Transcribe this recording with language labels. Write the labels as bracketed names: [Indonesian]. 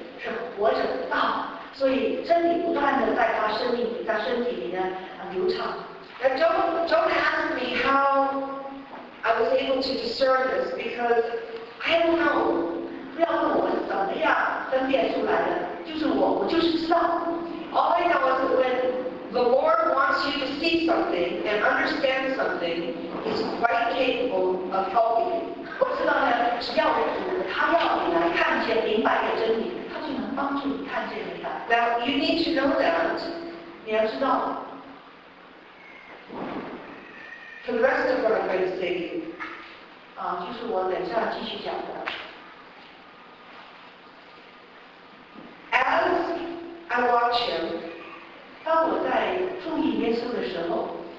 [Chinese] 是活着的道，所以真理不断的在他生命里，在身体里的流畅。 [English] Now don't ask me how I was able to discern this because I don't know. [Chinese] 不要问我是怎么样分辨出来的，就是我就是知道。 [English] All I know is when the Lord wants you to see something and understand something, He's quite capable of helping you. [Chinese] 我知道呢，只要我主，他要你来看见、明白的真理。 [English] Now you need to know that. [Chinese] 你要知道。 [English] For the rest of what I'm going to say, [Chinese] 啊，就是我等下要继续讲的。 [English] As I watch him, [Chinese] 当我在注意耶稣的时候